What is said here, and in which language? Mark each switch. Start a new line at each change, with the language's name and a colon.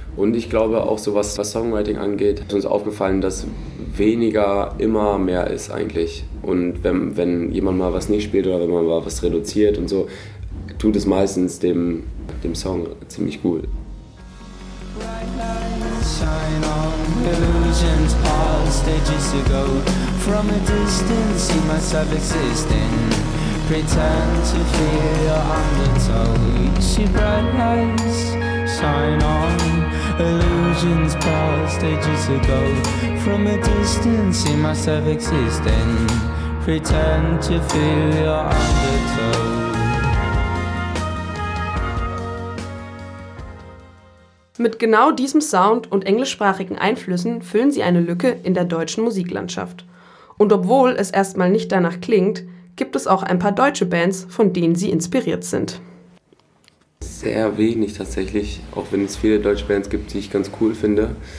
German: Und ich glaube auch so, was Songwriting angeht, hat uns aufgefallen, dass weniger immer mehr ist eigentlich. Und wenn jemand mal was nicht spielt oder wenn man mal was reduziert und so, tut es meistens dem Song ziemlich gut.
English: Illusions, all stages to go. From a distance, see myself existing. Pretend to feel your undertow. See bright lights, shine on. Illusions, all stages to go. From a distance, see myself existing. Pretend to feel your undertow.
German: Mit genau diesem Sound und englischsprachigen Einflüssen füllen sie eine Lücke in der deutschen Musiklandschaft. Und obwohl es erstmal nicht danach klingt, gibt es auch ein paar deutsche Bands, von denen sie inspiriert sind. Sehr wenig tatsächlich, auch wenn es viele deutsche Bands gibt, die ich ganz cool finde.